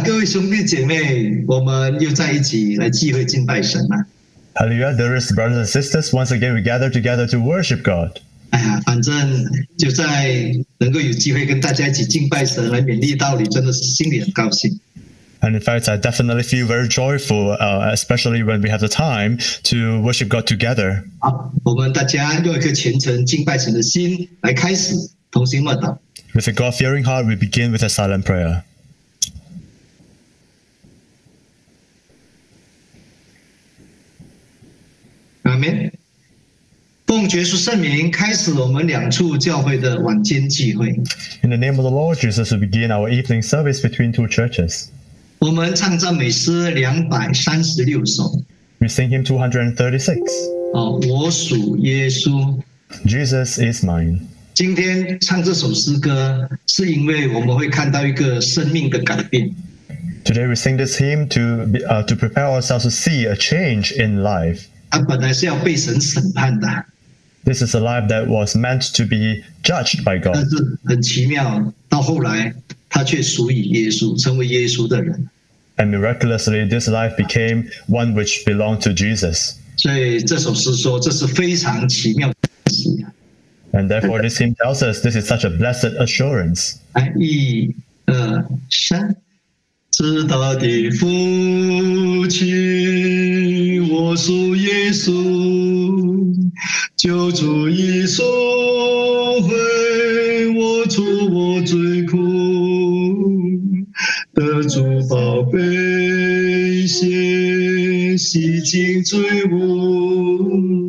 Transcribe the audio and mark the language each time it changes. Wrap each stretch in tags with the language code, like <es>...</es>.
<zh>兄弟姐妹，我们又在一起来聚会敬拜神了。</zh> <en>Hallelujah, dearest brothers and sisters, once again we gather together to worship God.</en> <zh>哎呀，反正就在能够有机会跟大家一起敬拜神，来勉励道理，真的是心里很高兴。</zh> <en>And in fact, I definitely feel very joyful, especially when we have the time to worship God together.</en> <zh>好，我们大家用一颗虔诚敬拜神的心来开始，同心默祷。</zh> <en>With a God-fearing heart, we begin with a silent prayer. Amen.</en> <zh>奉主耶稣圣名，开始我们两处教会的晚间聚会。</zh> <en>In the name of the Lord Jesus, we begin our evening service between two churches.</en> <zh>我们唱赞美诗236首。</zh> <en>We sing him 236.</en> <zh>我属耶稣。</zh> <en>Jesus is mine.</en> <zh>今天唱这首诗歌，是因为我们会看到一个生命的改变。</zh> <en>Today we sing this hymn to prepare ourselves to see a change in life.</en> <zh>它本来是要被神审判的。</zh> <en>This is a life that was meant to be judged by God.</en> <zh>但是很奇妙，到后来它却属于耶稣，成为耶稣的人。</zh> <en>And miraculously, this life became one which belonged to Jesus.</en> <zh>所以这首诗说，这是非常奇妙的事。</zh> <en>And therefore, this hymn tells us this is such a blessed assurance.</en> <zh>一、二、三，知道的父亲，我属耶稣，救主已赎回我出我罪苦，得主宝贝血洗净罪污。</zh>